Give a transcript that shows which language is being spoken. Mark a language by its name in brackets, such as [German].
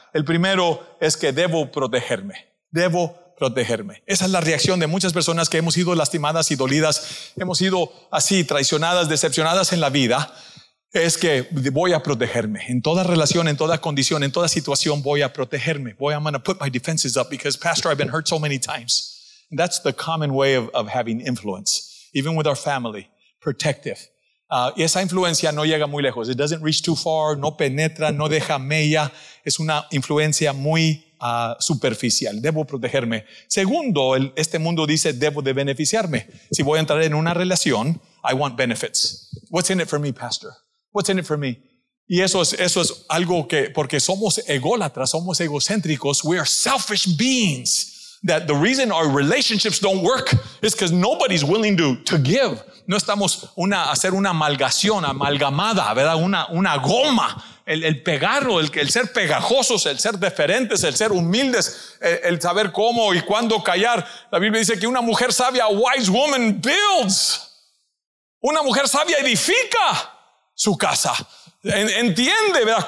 [Spanish] El primero es que debo protegerme. Protegerme. Esa es la reacción de muchas personas que hemos sido lastimadas y dolidas, hemos sido así traicionadas, decepcionadas en la vida, es que voy a protegerme. En toda relación, en toda condición, en toda situación voy a protegerme. [English] I'm going to put my defenses up because pastor, I've been hurt so many times. And that's the common way of having influence, even with our family, protective. [Spanish] Y esa influencia no llega muy lejos. [English] It doesn't reach too far, [Spanish] no penetra, no deja mella. Es una influencia muy superficial. Debo protegerme. Segundo, este mundo dice debo de beneficiarme. Si voy a entrar en una relación, [English] I want benefits. What's in it for me, pastor? What's in it for me? [Spanish] Y eso es algo que, porque somos ególatras, somos egocéntricos. [English] We are selfish beings. That the reason our relationships don't work is because nobody's willing to give. [Spanish] No estamos hacer una amalgación, amalgamada, ¿verdad? Una goma. El pegarlo, el ser pegajosos, el ser deferentes, el ser humildes, el saber cómo y cuándo callar. La Biblia dice que una mujer sabia, [English] a wise woman builds. [Spanish] Una mujer sabia edifica su casa. Entiende, ¿verdad?